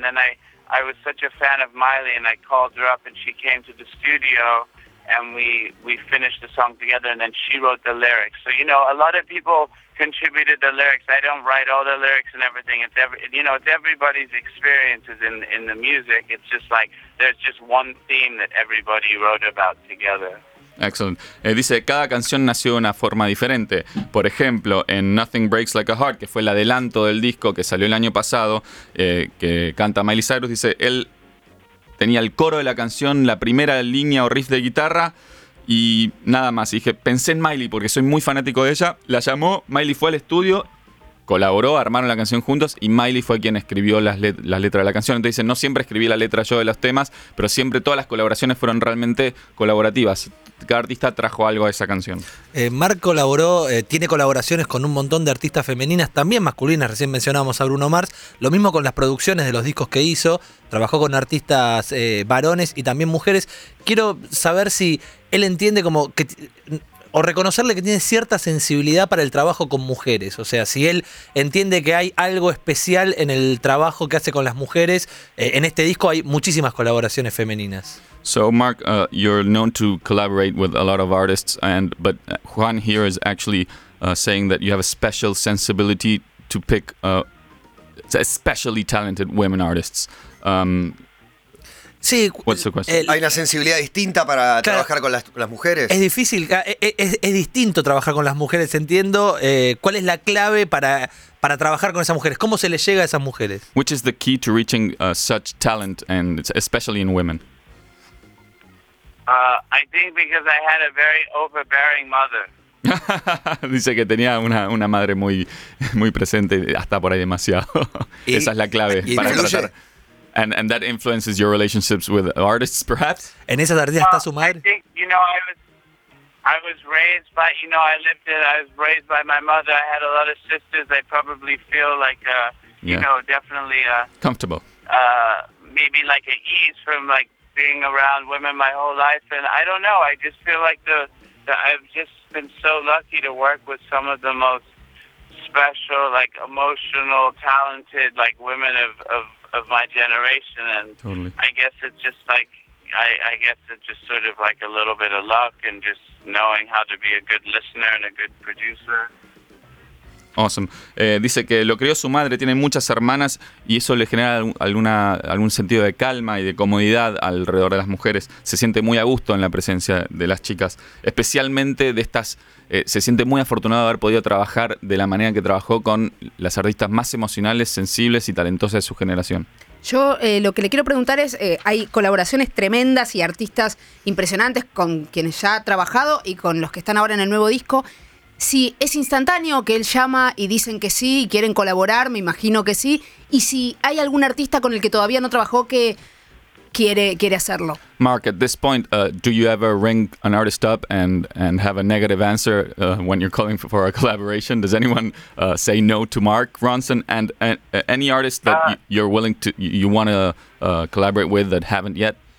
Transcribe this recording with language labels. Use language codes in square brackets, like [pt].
[en] And then I was such a fan of Miley, and I called her up and she came to the studio and we finished the song together, and then she wrote the lyrics. So, you know, a lot of people contributed the lyrics. I don't write all the lyrics and everything. It's everybody's experiences in the music. It's just like there's just one theme that everybody wrote about together. Excellent. [es] Dice, cada canción nació de una forma diferente. Por ejemplo, en Nothing Breaks Like a Heart, que fue el adelanto del disco que salió el año pasado, que canta Miley Cyrus, dice, él tenía el coro de la canción, la primera línea o riff de guitarra, y nada más. Y dije, pensé en Miley porque soy muy fanático de ella. La llamó, Miley fue al estudio, colaboró, armaron la canción juntos y Miley fue quien escribió las letras de la canción. Entonces dice, no siempre escribí la letra yo de los temas, pero siempre todas las colaboraciones fueron realmente colaborativas. Cada artista trajo algo a esa canción. Mark colaboró, tiene colaboraciones con un montón de artistas femeninas, también masculinas. Recién mencionábamos a Bruno Mars. Lo mismo con las producciones de los discos que hizo. Trabajó con artistas varones y también mujeres. Quiero saber si él entiende como que... o reconocerle que tiene cierta sensibilidad para el trabajo con mujeres. O sea, si él entiende que hay algo especial en el trabajo que hace con las mujeres, en este disco hay muchísimas colaboraciones femeninas. [en] So, Mark, you're known to collaborate with a lot of artists, but Juan here is actually saying that you have a special sensibility to pick especially talented women artists. [es] Sí, [en] what's the question? [es] Hay una sensibilidad distinta para trabajar con las mujeres. Es difícil, es distinto trabajar con las mujeres, entiendo. ¿Cuál es la clave para trabajar con esas mujeres? ¿Cómo se les llega a esas mujeres? [en] Which is the key to reaching such talent, and especially in women? I think because I had a very overbearing mother. [es] Dice que tenía una madre muy, muy presente, hasta por ahí demasiado. ¿Y? Esa es la clave para tratar. [en] And that influences your relationships with artists, perhaps? [es] ¿En esas artistas está su madre? [en] I think, you know, I was raised by my mother. I had a lot of sisters. I probably feel like, definitely... comfortable. Maybe like an ease from like being around women my whole life. And I don't know. I just feel like the I've just been so lucky to work with some of the most special, like emotional, talented, like women of my generation, and totally. I guess it's just sort of like a little bit of luck and just knowing how to be a good listener and a good producer. Awesome. [es] Dice que lo crió su madre, tiene muchas hermanas y eso le genera algún sentido de calma y de comodidad alrededor de las mujeres. Se siente muy a gusto en la presencia de las chicas, especialmente de estas. Se siente muy afortunado de haber podido trabajar de la manera que trabajó con las artistas más emocionales, sensibles y talentosas de su generación. Yo lo que le quiero preguntar es, hay colaboraciones tremendas y artistas impresionantes con quienes ya ha trabajado y con los que están ahora en el nuevo disco. Si es instantáneo que él llama y dicen que sí y quieren colaborar, me imagino que sí. Y si hay algún artista con el que todavía no trabajó que quiere hacerlo. [en] Mark, at this point, do you ever ring an artist up and have a negative answer when you're calling for a collaboration? Does anyone say no to Mark Ronson? And any artist that you're willing to, you want to collaborate with that haven't yet?